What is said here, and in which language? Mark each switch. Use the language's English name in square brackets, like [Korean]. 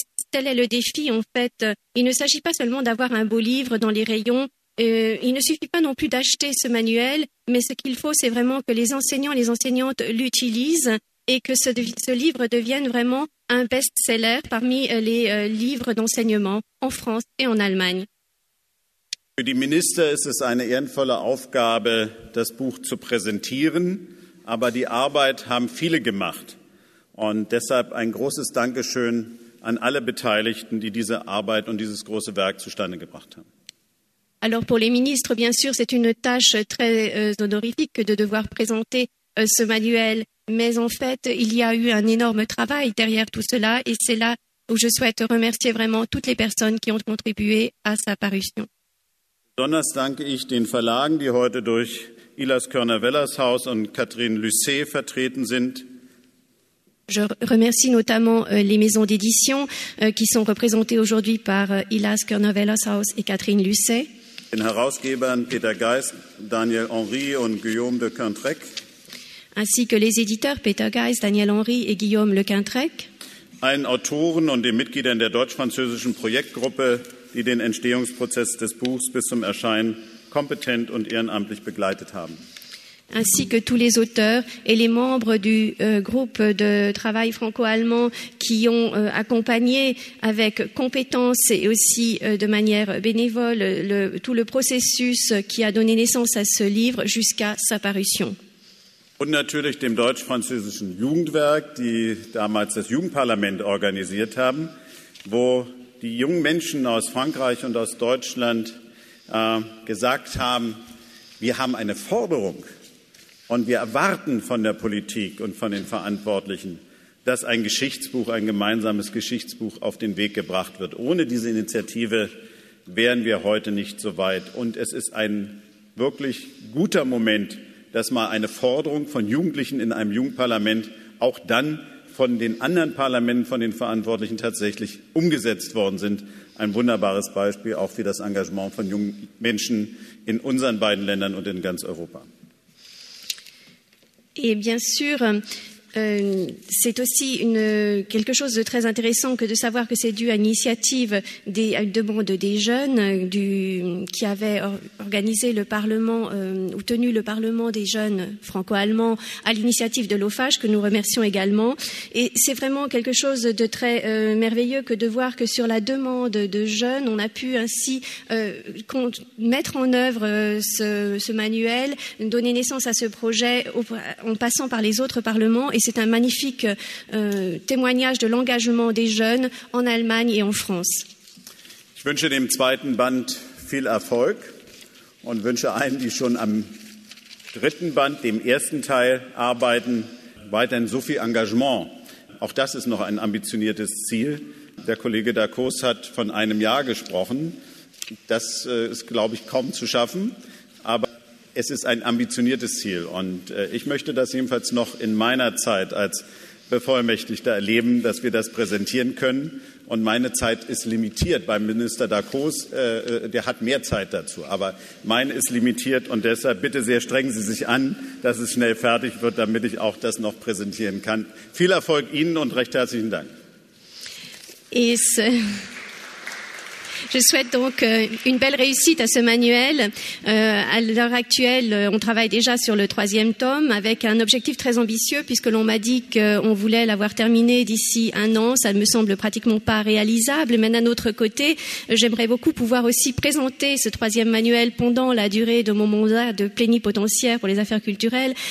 [French] Tel est le défi, en fait. Il ne s'agit pas seulement d'avoir un beau livre dans les rayons. Il ne suffit pas non plus d'acheter ce manuel, mais ce qu'il faut, c'est vraiment que les enseignants et les enseignantes l'utilisent et que ce livre devienne vraiment un best-seller parmi les livres d'enseignement en France et en Allemagne. [German] Für die Minister ist es eine ehrenvolle Aufgabe, das Buch zu präsentieren, aber die Arbeit haben viele gemacht. Und deshalb ein großes Dankeschön an alle Beteiligten, die diese Arbeit und dieses große Werk zustande gebracht haben. [French] Alors pour les ministres, bien sûr, c'est une tâche très honorifique de devoir présenter ce manuel. Mais en fait, il y a eu un énorme travail derrière tout cela et c'est là où je souhaite remercier vraiment toutes les personnes qui ont contribué à sa parution. [German] Besonders danke ich den Verlagen, die heute durch Ilas Körner-Wellershaus und Katrin Lucet vertreten sind. [French] Je remercie notamment les maisons d'édition qui sont représentées aujourd'hui par Ilas Körner-Wellershaus et Katrin Lucet. [German] den Herausgebern Peter Geist, Daniel Henry und Guillaume de Quintrec, [French] ainsi que les éditeurs Peter Geist, Daniel Henry et Guillaume de Quintrec, [German] allen Autoren und den Mitgliedern der deutsch-französischen Projektgruppe, die den Entstehungsprozess des Buchs bis zum Erscheinen kompetent und ehrenamtlich begleitet haben. [French] Ainsi que tous les auteurs et les membres du groupe de travail franco-allemand qui ont accompagné avec compétence et aussi de manière bénévole tout le processus qui a donné naissance à ce livre jusqu'à sa parution. [German] Und natürlich dem deutsch-französischen Jugendwerk, die damals das Jugendparlament organisiert haben, wo die jungen Menschen aus Frankreich und aus Deutschland gesagt haben, wir haben eine Forderung. Und wir erwarten von der Politik und von den Verantwortlichen, dass ein Geschichtsbuch, ein gemeinsames Geschichtsbuch auf den Weg gebracht wird. Ohne diese Initiative wären wir heute nicht so weit. Und es ist ein wirklich guter Moment, dass mal eine Forderung von Jugendlichen in einem Jugendparlament auch dann von den anderen Parlamenten, von den Verantwortlichen tatsächlich umgesetzt worden sind. Ein wunderbares Beispiel auch für das Engagement von jungen Menschen in unseren beiden Ländern und in ganz Europa. [French] Et bien sûr, c'est aussi quelque chose de très intéressant que de savoir que c'est dû à l'initiative à une demande des jeunes qui avaient organisé le Parlement ou tenu le Parlement des jeunes franco-allemands à l'initiative de l'OFAGE, que nous remercions également. Et c'est vraiment quelque chose de très merveilleux que de voir que sur la demande de jeunes, on a pu ainsi mettre en œuvre ce manuel, donner naissance à ce projet en passant par les autres parlements. Et c'est un magnifique témoignage de l'engagement des jeunes en Allemagne et en France. [German] Ich wünsche dem zweiten Band viel Erfolg und wünsche allen, die schon am dritten Band, dem ersten Teil, arbeiten, weiterhin so viel Engagement. Auch das ist noch ein ambitioniertes Ziel. Der Kollege Dacos hat von einem Jahr gesprochen. Das ist, glaube ich, kaum zu schaffen. Es ist ein ambitioniertes Ziel und ich möchte das jedenfalls noch in meiner Zeit als Bevollmächtigter erleben, dass wir das präsentieren können. Und meine Zeit ist limitiert beim Minister Dacos, der hat mehr Zeit dazu. Aber meine ist limitiert und deshalb bitte sehr strengen Sie sich an, dass es schnell fertig wird, damit ich auch das noch präsentieren kann. Viel Erfolg Ihnen und recht herzlichen Dank. [French] Je souhaite donc une belle réussite à ce manuel. À l'heure actuelle, on travaille déjà sur le troisième tome avec un objectif très ambitieux puisque l'on m'a dit qu'on voulait l'avoir terminé d'ici un an. Ça ne me semble pratiquement pas réalisable. Mais d'un autre côté, j'aimerais beaucoup pouvoir aussi présenter ce troisième manuel pendant la durée de mon mandat de plénipotentiaire pour les affaires culturelles.